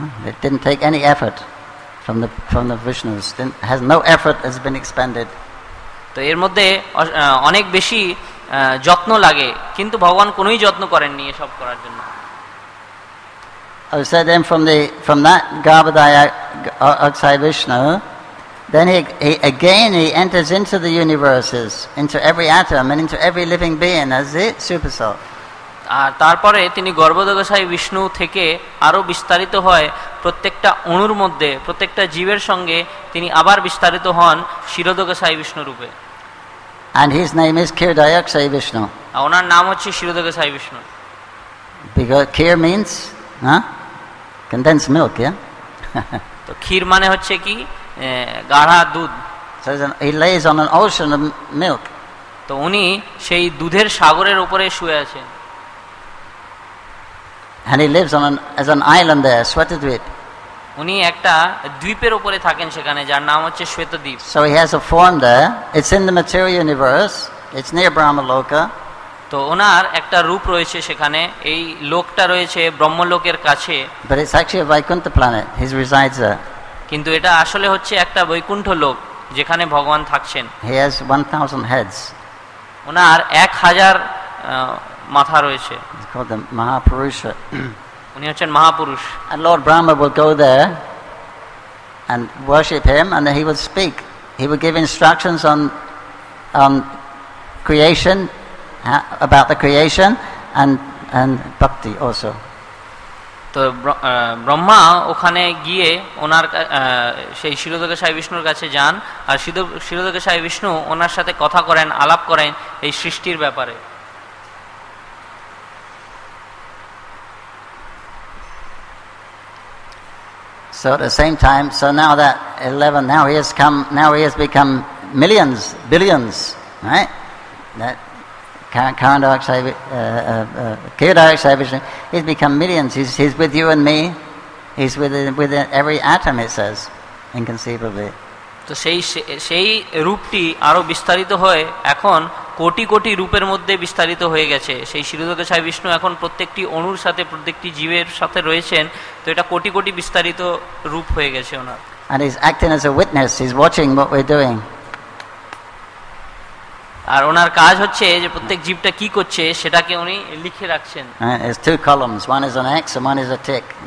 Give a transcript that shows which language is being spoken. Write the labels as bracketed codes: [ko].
[en] It didn't take any effort from the Vishnus. Has no effort has been expended. [bn] তো এর মধ্যে অনেক বেশি যত্ন লাগে, কিন্তু ভগবান কোনোই যত্ন করেননি এসব করার জন্য। [en] I said then from that Garbhodaya Akshay Vishnu, then he again enters into the universes, into every atom and into every living being as the super soul. [bn] আর তারপরে তিনি গর্ভোদয় অক্ষয় বিষ্ণু থেকে আরো বিস্তারিত হয় প্রত্যেকটা অণুর মধ্যে, প্রত্যেকটা জীবের সঙ্গে তিনি আবার বিস্তারিত হন শিরোদয় অক্ষয় বিষ্ণু রূপে। [en] And his name is Kshirodaya Akshay Vishnu. [bn] ওনার নাম হচ্ছে শিরোদয় অক্ষয় Vishnu. [en] Because Kshir means condensed milk, yeah? [bn] তো ক্ষীর মানে হচ্ছে কি? গাঢ়া দুধ। [en] He lays on an ocean of milk. [bn] তো উনি সেই দুধের সাগরের উপরে শুয়ে আছেন। [en] And he lives on an island there, Shwetadvip. [bn] উনি একটা দ্বীপের উপরে থাকেন সেখানে যার নাম হচ্ছে Shvetadvip. [en] So he has a form there. It's in the material universe. It's near Brahmaloka. [bn] তো ওনার একটা রূপ রয়েছে সেখানে, এই লোকটা রয়েছে ব্রহ্মলোকের কাছে. [en] But it's actually a Vaikuntha planet. He resides there. [bn] কিন্তু এটা আসলে হচ্ছে একটা বৈকুণ্ঠ লোক যেখানে ভগবান থাকছেন. [en] He has 1000 heads. [bn] ওনার 1000 মাথা রয়েছে. [en] He's called the Mahapurusha. [bn] উনি হচ্ছেন মহাপুরুষ. [en] And Lord Brahma will go there and worship him, and then he will speak. He will give instructions on creation, about the creation and bhakti also. [bn] তো ব্রহ্মা ওখানে গিয়ে ওনার সেই শিরোধক সাই বিষ্ণুর কাছে যান, আর শিরোধক সাই বিষ্ণু ওনার সাথে কথা করেন, আলাপ করেন এই সৃষ্টির ব্যাপারে. [en] So at the same time, so now that 11, now he has come, now he has become millions, billions, right? That Karan Dharak Sai Vishnu, he's become millions. He's with you and me. He's within every atom, it says, inconceivably. [bn] তো সেই সেই রূপটি আরো বিস্তারিত হয়ে এখন কোটি কোটি রূপের মধ্যে বিস্তারিত হয়ে গেছে. সেই শিরোধক সাই বিষ্ণু এখন প্রত্যেকটি অণুর সাথে, প্রত্যেকটি জীবের সাথে রয়েছেন. তো এটা কোটি কোটি বিস্তারিত রূপ হয়ে গেছে ওনার. [en] And he's acting as a witness. He's watching what we're doing. [bn] আর ওনার কাজ হচ্ছে যে প্রত্যেক জীবটা কি করছে সেটাকে উনি লিখে রাখছেন. [en] There's two columns, one is an X and one is a tick.